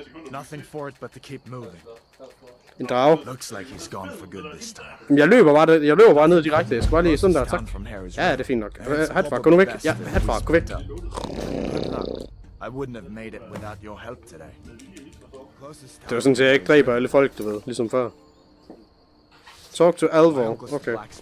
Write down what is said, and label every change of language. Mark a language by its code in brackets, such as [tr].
[en] Nothing for it but to keep moving. [da] En drage. [en] Looks like he's gone for good this time. [da] Jeg løber bare ned direkte. Jeg skal bare lige sådan der, tak. Ja, det er fint nok. Hatfar, gå nu væk. Ja, Hatfar, gå væk. [en] I wouldn't have made it without your help today. [da] Det var sådan, at jeg ikke dræber alle folk, du ved, ligesom før. [en] Talk to Alvor, okay.